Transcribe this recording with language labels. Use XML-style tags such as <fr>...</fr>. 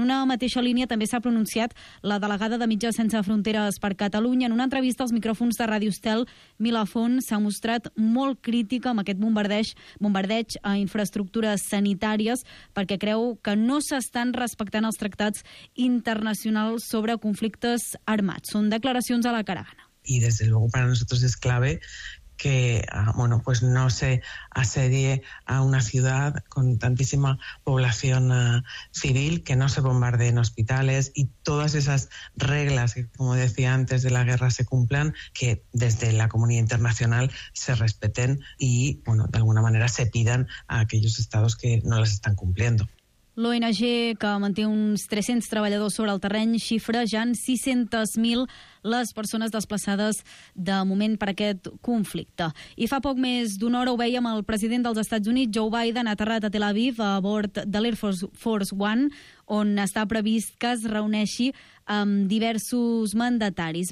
<ca>En una mateixa línia també s'ha pronunciat la delegada de Mitjans Sense Fronteres per Catalunya. En una entrevista als micròfons de Ràdio Estel, Milafont s'ha mostrat molt crítica amb aquest bombardeig a infraestructures sanitàries perquè creu que no s'estan respectant els tractats internacionals sobre conflictes armats. Són declaracions a la caravana.</ca> <es>I des de luego para nosotros es clave que bueno, pues no se asedie a una ciudad con tantísima población civil, que no se bombardeen hospitales y todas esas reglas que, como decía antes, de la guerra se cumplan, que desde la comunidad internacional se respeten y, bueno, de alguna manera se pidan a aquellos estados que no las están cumpliendo.</es> <ca>L'ONG, que manté uns 300 treballadors sobre el terreny, xifra ja en 600.000 les persones desplaçades de moment per aquest conflicte. I fa poc més d'una hora ho veiem, el president dels Estats Units, Joe Biden, aterrat a Tel Aviv a bord de l'Air Force One, on està previst que es reuneixi amb diversos mandataris.</ca>